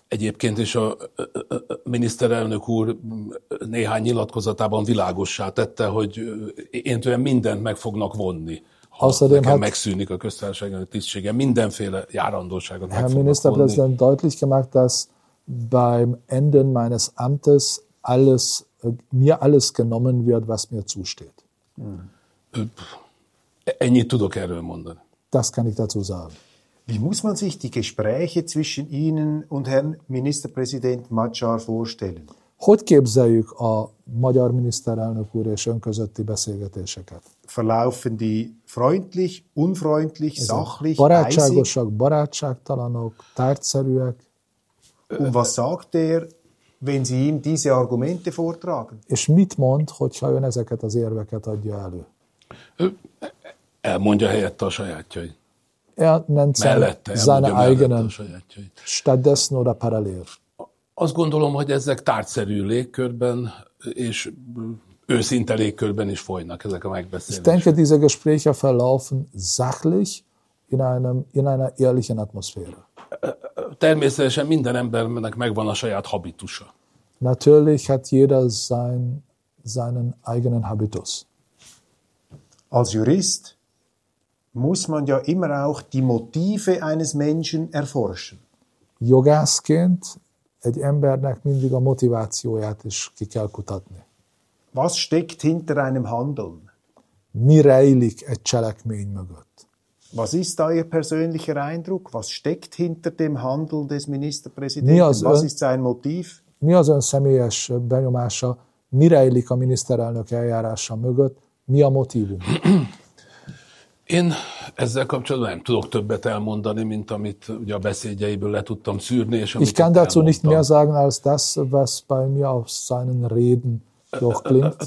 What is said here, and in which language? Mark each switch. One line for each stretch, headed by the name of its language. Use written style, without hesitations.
Hungarian: Egyébként is a miniszterelnök úr néhány nyilatkozatában világossá tette, hogy én tőlem mindent meg fognak vonni, ha nekem megszűnik a köztársaság tisztsége, mindenféle járandóságot meg fognak vonni.
German: Herr Ministerpräsident deutlich gemacht, dass beim Ende meines Amtes alles, mir alles genommen wird, was mir zusteht.
Hungarian: Ennyit tudok erről mondani.
German: Das kann ich dazu sagen. Wie muss man sich die Gespräche zwischen Ihnen und Herrn Ministerpräsident Magyar vorstellen?
Hungarian: Hogy képzeljük a magyar miniszterelnök úr és ön közötti beszélgetéseket?
German: Verlaufen die freundlich, unfreundlich, ez sachlich,
Hungarian: barátságosak,
German: eisig?
Hungarian: Barátságtalanok, tárgyszerűek.
German: Und was sagt er, wenn Sie ihm diese Argumente vortragen?
Hungarian: És mit mond, hogyha ön ezeket az érveket adja elő? Elmondja helyette a sajátjait.
German: Er nennt seine eigenen stattdessen oder parallel.
Hungarian: Azt gondolom, hogy ezek tárgyszerű légkörben és őszinte légkörben is folynak ezek a megbeszélések.
German: Ich denke, diese Gespräche verlaufen sachlich in einer ehrlichen Atmosphäre.
Hungarian: Természetesen minden embernek megvan a saját habitusa.
German: Natürlich hat jeder seinen eigenen Habitus. Als Jurist muss man ja immer auch die Motive eines Menschen erforschen.
Hungarian: Jogászként egy embernek mindig a motivációját is ki kell kutatni.
German: Was steckt hinter einem Handeln?
Hungarian: Mi rejlik egy cselekmény mögött?
German: Was ist da Ihr persönlicher Eindruck? Was steckt hinter dem Handeln des Ministerpräsidenten? Was ist sein Motiv?
Hungarian: Mi az ön személyes benyomása? Mi rejlik a miniszterelnök eljárása mögött? Mi a motívum? Én ezzel kapcsolatban nem tudok többet elmondani, mint amit ugye a beszédjeiből le tudtam szűrni, és amit
German: ich kann dazu nicht mehr sagen als das, was bei mir auf seinen Reden durchklingt.